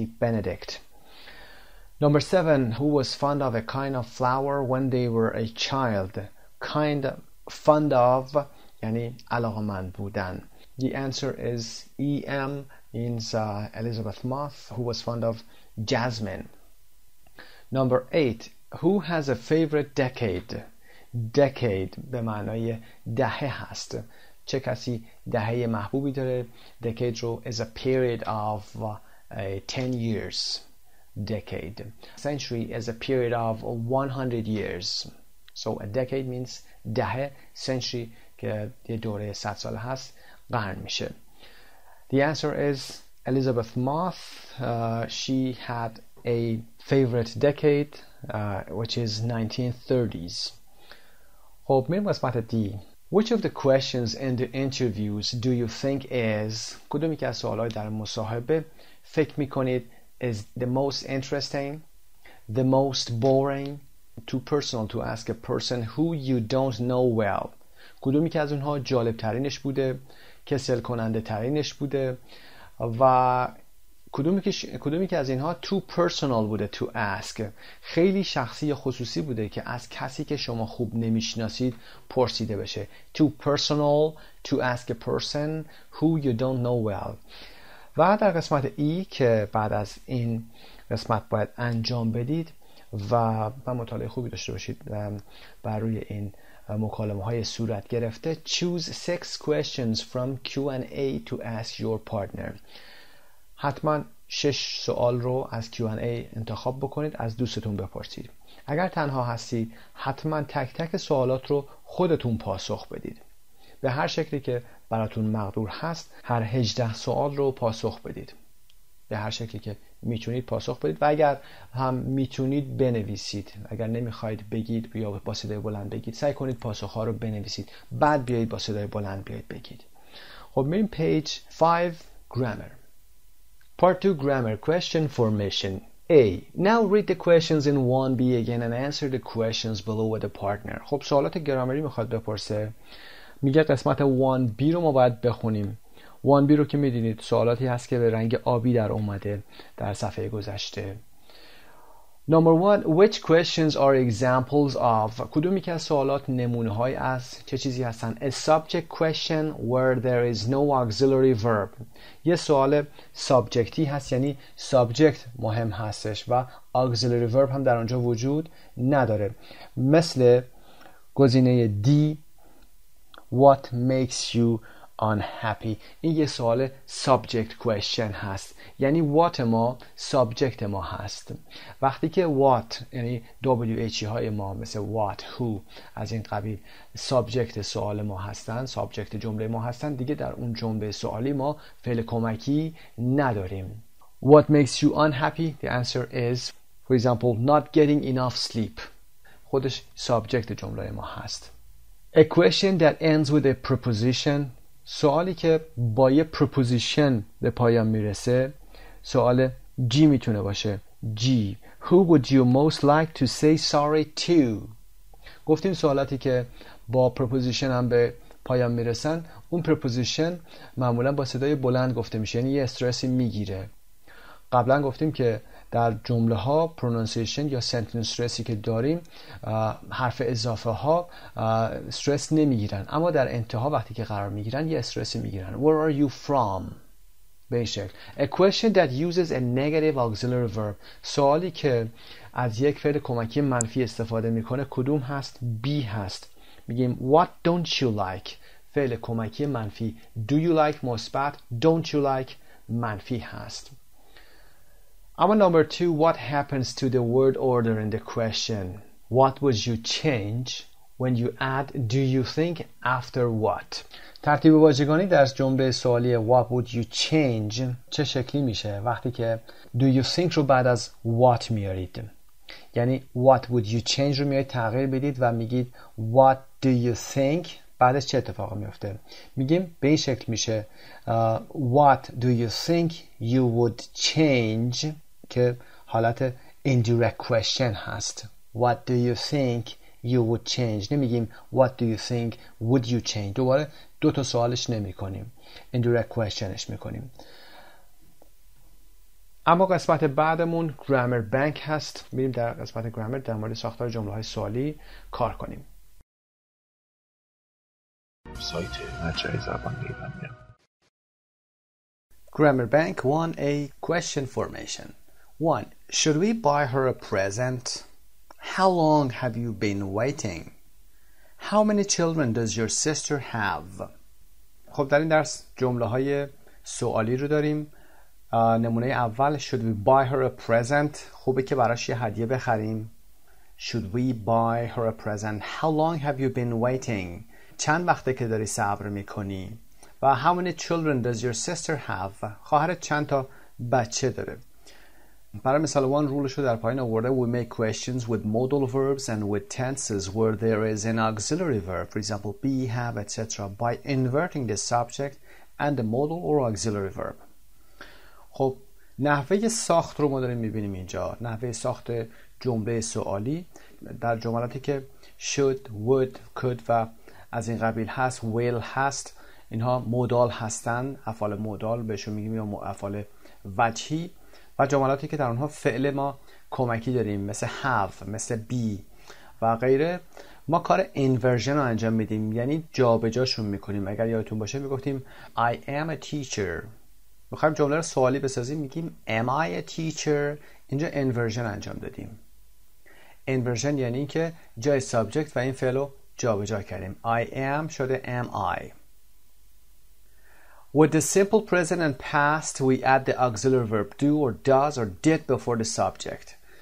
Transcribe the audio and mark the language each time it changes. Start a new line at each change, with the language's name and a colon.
English: Benedict. Number 7, who was fond of a kind of flower when they were a child? Kind of fond of
Persian: یعنی علاقمند بودن.
English: The answer is E.M. means Elizabeth Moth, who was fond of jasmine. Number 8, who has a favorite decade?
Persian: Decade به معنای دهه هست. چه کسی دهه محبوبی داره؟ Decade رو
English: is a period of 10 years. Decade. Century is a period of 100 years. So a decade means دهه.
Persian: Century که یه دوره 100 ساله هست، قرن میشه.
English: The answer is Elizabeth Moth. She had a favorite decade, which is 1930s.
Persian: خب میرم قسمت دی.
English: Which of the questions in the interviews do you think is
Persian: کدومی که از سوالهای در مصاحبه فکر میکنید
English: is the most interesting, the most boring, too personal to ask a person who you don't know well.
Persian: کدومی که از اونها جالب ترینش بوده، کسل کننده ترینش بوده و کدومی که از اینها
English: too personal
Persian: بوده
English: to ask.
Persian: خیلی شخصی یا خصوصی بوده که از کسی که شما خوب نمیشناسید پرسیده بشه.
English: Too personal to ask a person who you don't know well.
Persian: و در قسمت ای که بعد از این قسمت باید انجام بدید و با مطالعه خوبی داشته باشید بر روی این مکالمه های صورت گرفته،
English: Choose 6 questions from Q&A to ask your partner.
Persian: حتما 6 سوال رو از Q&A انتخاب بکنید، از دوستتون بپرسید. اگر تنها هستید حتما تک تک سوالات رو خودتون پاسخ بدید، به هر شکلی که براتون مقدور هست. هر 18 سوال رو پاسخ بدید، به هر شکلی که میتونید پاسخ بدید. و اگر هم میتونید بنویسید، اگر نمیخواید بگید یا با صدای بلند بگید، سعی کنید پاسخها رو بنویسید، بعد بیایید با صدای بلند بیایید بگید. خب میریم پیج 5 Grammar.
English: Part 2 Grammar Question Formation. A. Now read the questions in 1B again and answer the questions below with the partner.
Persian: خب سوالات گرامری میخواد بپرسه، میگه قسمت 1B رو ما باید بخونیم. 1B رو که میدینید سوالاتی هست که به رنگ آبی در اومده در صفحه گذشته.
English: Number 1, which questions are examples of
Persian: کدومی که سوالات نمونه های از چه چیزی هستن؟
English: A subject question where there is no auxiliary verb.
Persian: یه سوال سابجکتی هست، یعنی سابجکت مهم هستش و auxiliary verb هم در اونجا وجود نداره، مثل گزینه D.
English: What makes you unhappy؟
Persian: این یه سوال subject question هست، یعنی what ما subject ما هست. وقتی که what یعنی WH های ما مثل what, who از این قبیل subject سوال ما هستن، subject جمله ما هستن، دیگه در اون جمله سوالی ما فعل کمکی نداریم.
English: What makes you unhappy؟ The answer is for example not getting enough sleep.
Persian: خودش subject جمله ما هست.
English: A question that ends with a preposition.
Persian: سوالی که با یه preposition به پایان میرسه، سوال G میتونه باشه.
English: G. Who would you most like to say sorry to?
Persian: گفتیم سوالاتی که با preposition هم به پایان میرسن، اون preposition معمولا با صدای بلند گفته میشه، یعنی یه استرسی میگیره. قبلا گفتیم که در جمله ها پرونانسیشن یا سنتنس استرسی که داریم حرف اضافه ها استرس نمیگیرن، اما در انتها وقتی که قرار میگیرن یه استرس میگیرن.
English: Where are you from؟
Persian: به این شکل.
English: A question that uses a negative auxiliary verb.
Persian: سوالی که از یک فعل کمکی منفی استفاده میکنه کدوم هست؟ Be هست. میگیم
English: What don't you like؟
Persian: فعل کمکی منفی.
English: Do you like مثبت؟ Don't you like
Persian: منفی هست.
English: اما number two, what happens to the word order in the question? What would you change when you add do you think after what?
Persian: ترتیب واژگانی در جمله سوالی
English: what would you change
Persian: چه شکلی میشه وقتی که do you think رو بعد از what میارید؟ یعنی what would you change رو میارید تغییر بدید و میگید what do you think بعدش چه اتفاق میفته؟ میگیم به این شکل میشه
English: what do you think you would change
Persian: که حالت indirect question هست.
English: What do you think you would change؟
Persian: نمیگیم
English: what do you think would you change.
Persian: دوباره دو تا سوالش نمی کنیم، indirect questionش می کنیم. اما قسمت بعدمون grammar bank هست. میریم در قسمت grammar در مورد ساختار جمله های سوالی کار کنیم. سایت مجله زبان ایران.
English: Grammar Bank 1A Question Formation. 1. Should we buy her a present? How long have you been waiting? How many children does your sister have?
Persian: خب در این درس جمله های سوالی رو داریم. نمونه اول
English: Should we buy her a present؟
Persian: خوبه که براش یه هدیه بخریم.
English: Should we buy her a present? How long have you been waiting؟
Persian: چند وقته که داری صبر میکنی؟ و
English: How many children does your sister have؟
Persian: خواهرت چند تا بچه داره؟ برای مثال وان رولشو در پایین آورده.
English: We make questions with modal verbs and with tenses where there is an auxiliary verb, for example be, have, etc. by inverting the subject and the modal or auxiliary verb.
Persian: خب نحوه ساخت رو ما داریم میبینیم اینجا، نحوه ساخت جمله سوالی در جملاتی که should, would, could و از این قبیل هست، will هست، اینها مودال هستن، افعال مودال بهشون میگیم یا افعال وجهی، و جملاتی که در اونها فعل ما کمکی داریم مثل have، مثل be و غیره، ما کار inversion رو انجام میدیم، یعنی جا به جاشون میکنیم. اگر یادتون باشه میگفتیم
English: I am a teacher،
Persian: میخوایم جمله رو سوالی بسازیم میگیم
English: Am I a teacher؟
Persian: اینجا inversion انجام دادیم. inversion یعنی که جای subject و این فعل رو جا به جا کردیم.
English: I am شده am I. With the simple present and past, we add the auxiliary verb do or does or did before the subject.